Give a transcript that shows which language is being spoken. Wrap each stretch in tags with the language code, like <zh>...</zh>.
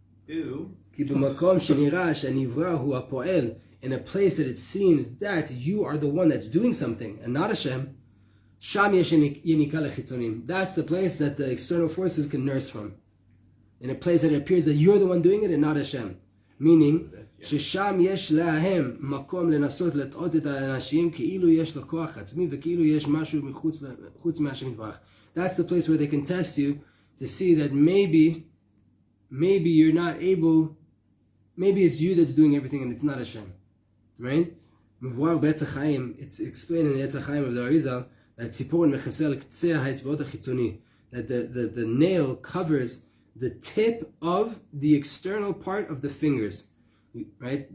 <he>Ki b'makom shenira shenivra hu apoel.</he> <en>In a place that it seems that you are the one that's doing something and not Hashem,</en> <he>sham yesh yenika lechitzonim.</he> <en>That's the place that the external forces can nurse from. In a place that it appears that you're the one doing it and not Hashem.</en> <he>Meaning, ששם יש להם מקום לנסות לטעות את האנשים כאילו יש לו כוח עצמי וכאילו יש משהו מחוץ מהשם יתברך.</he> <en>That's the place where they can test you to see that maybe you're not able, maybe it's you that's doing everything and it's not Hashem. Right?</en> <he>מבואר בעץ החיים,</he> <en>it's explained in the עץ החיים of the Arizal, that</en> <he>ציפורן מכסה על קצה האצבעות החיצוני,</he> <en>that the nail covers the tip of the external part of the fingers. right?</en>